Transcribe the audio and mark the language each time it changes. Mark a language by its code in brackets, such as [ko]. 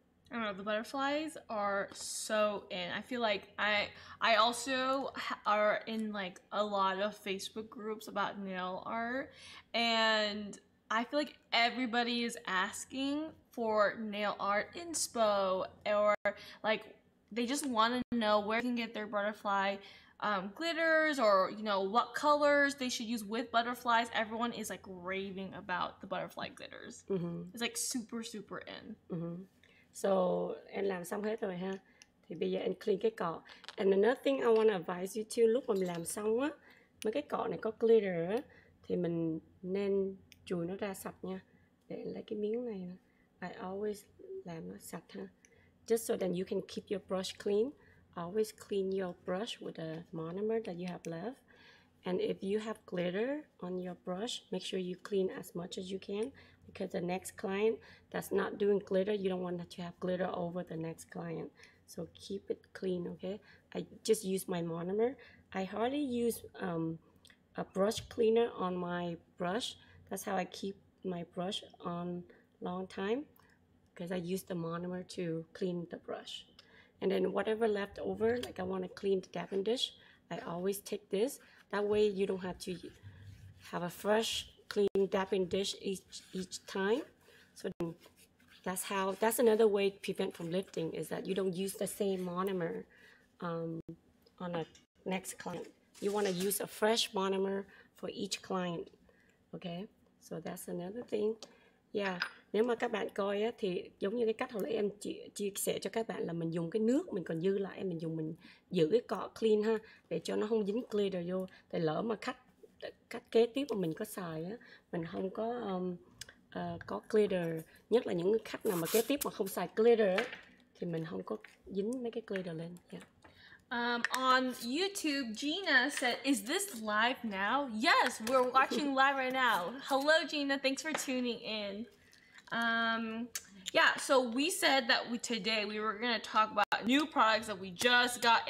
[en] I don't know, the butterflies are so in. I feel like I also are in like a lot of Facebook groups about nail art, and I feel like everybody is asking for nail art inspo, or like they just want to know where they can get their butterfly glitters, or you know what colors they should use with butterflies. Everyone is like raving about the butterfly glitters. Mm-hmm. It's like super super in. Mm-hmm. So [vi] em làm xong hết rồi ha. Thì bây giờ em clean cái cọ. [en] And another thing I want to advise you to, [vi] lúc mà mình làm xong á, mấy cái cọ này có glitter á, thì mình nên chùi nó ra sạch nha. Để lấy cái miếng này, [en] I always [vi] làm nó sạch ha. [en] Just so then you can keep your brush clean. Always clean your brush with the monomer that you have left. And if you have glitter on your brush, make sure you clean as much as you can. Because the next client that's not doing glitter, you don't want that to have glitter over the next client. So keep it clean, okay? I just use my monomer. I hardly use a brush cleaner on my brush. That's how I keep my brush on long time. Because I use the monomer to clean the brush. And then whatever left over, like I want to clean the dabbing dish, I always take this. That way you don't have to have a fresh clean dabbing dish each time. So then that's another way to prevent from lifting, is that you don't use the same monomer on a next client. You want to use a fresh monomer for each client. Okay, so that's another thing. [vi] Yeah, nếu mà các bạn coi á, thì giống như cái cách hồi nãy em chia sẻ cho các bạn là mình dùng cái nước mình còn dư lại, mình dùng mình giữ cái cọ clean ha, để cho nó không dính glitter vô. Tại lỡ mà khách kế tiếp mà mình có xài á, mình không có có glitter, nhất là những khách nào mà kế tiếp mà không xài glitter á, thì mình không có dính mấy cái glitter lên. [en] Yeah. On YouTube, Gina said, is this live now? Yes, we're watching live right now. Hello, Gina. Thanks for tuning in. Yeah, so we said that today we were going to talk about new products that we just got.